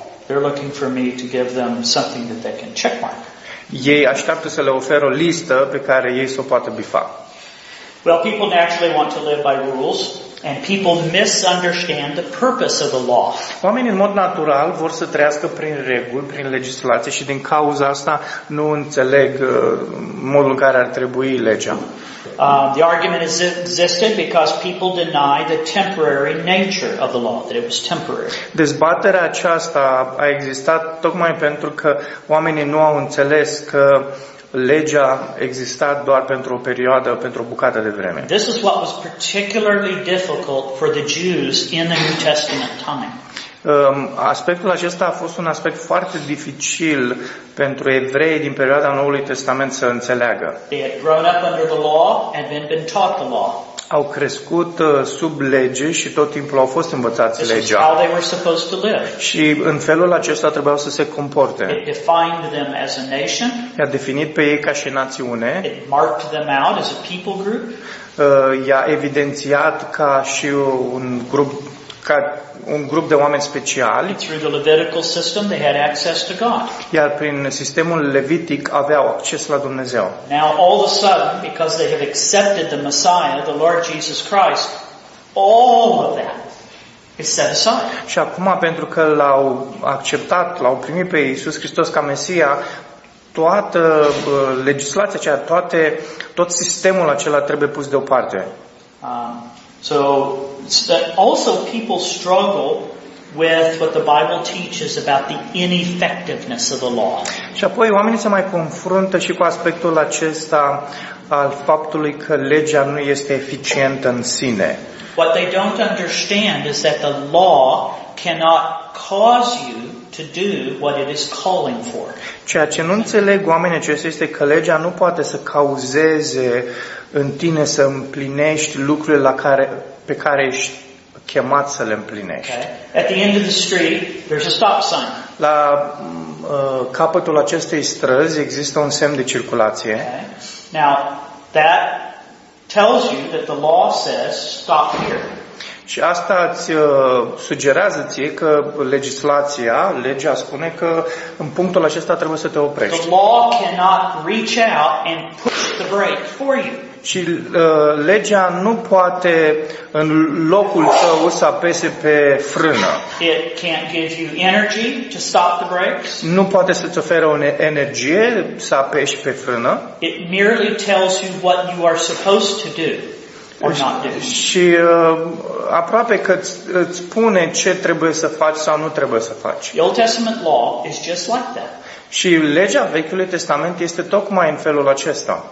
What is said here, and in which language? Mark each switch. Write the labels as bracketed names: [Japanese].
[English] They're looking for me to give them something that they can checkmark. [Romanian] Ei așteaptă să le ofer o listă pe care ei s-o poată bifa. [English] Well, people naturally want to live by rules. And people misunderstand the purpose of the law. [Romanian] Oamenii în mod natural vor să trăiască prin reguli, prin legislație și din cauza asta nu înțeleg modul în care ar trebui legea. [English] The argument is existed because people deny the temporary nature of the law, that it was temporary. [Romanian] Dezbaterea aceasta a existat tocmai pentru că oamenii nu au înțeles că legea exista doar pentru o perioadă, pentru o bucată de vreme. [English] This is what was particularly difficult for the Jews in the New Testament time. [Romanian] Aspectul acesta a fost un aspect foarte dificil pentru evrei din perioada Noului Testament să înțeleagă. [English] They had grown up under the law and then been taught the law. [Romanian] Au crescut sub lege și tot timpul au fost învățați [English] this [Romanian] legea. [English] How they were supposed to live. [Romanian] Și în felul acesta trebuiau să se comporte. [English] It defined them as a nation. [Romanian] I-a definit pe ei ca și națiune. [English] It marked them out as a people group. [Romanian] I-a evidențiat ca și un grup ca un grup de oameni speciali. [English] Through the Levitical system, they had access to God. [Romanian] Iar prin sistemul levitic aveau acces la Dumnezeu. [English] Now all of a sudden, because they have accepted the Messiah, the Lord Jesus Christ, all of that is set aside. [Romanian] Și acum pentru că l-au acceptat, l-au primit pe Iisus Hristos ca Mesia, toată legislația aceea, tot sistemul acela trebuie pus deoparte. [English] So that also people struggle with what the Bible teaches about the ineffectiveness of the law. [Romanian] Și apoi oamenii se mai confruntă și cu aspectul acesta al faptului că legea nu este eficientă în sine. [English] What they don't understand is that the law cannot cause you to do what it is calling for. [Romanian] Ceea ce nu înțeleg oamenii aceștia este că legea nu poate să cauzeze în tine să împlinești lucrurile pe care ești chemat să le împlinești. [English] Okay. At the end of the street, there's a stop sign. [Romanian] La capătul acestei străzi există un semn de circulație. [English] Okay. Now, that tells you that the law says stop here. [Romanian] Și asta îți sugerează ție că legislația, legea spune că în punctul acesta trebuie să te oprești. [English] The law cannot reach out and push the brake for you. [Romanian] Și legea nu poate în locul tău să apese pe frână. [English] It can't give you energy to stop the brakes. [Romanian] Nu poate să-ți ofere o energie să apeși pe frână. [English] It merely tells you what you are supposed to do or not do. [Romanian] Și aproape că îți spune ce trebuie să faci sau nu trebuie să faci. [English] The Old Testament law is just like that. [Romanian] Și legea Vechiului Testament este tocmai în felul acesta.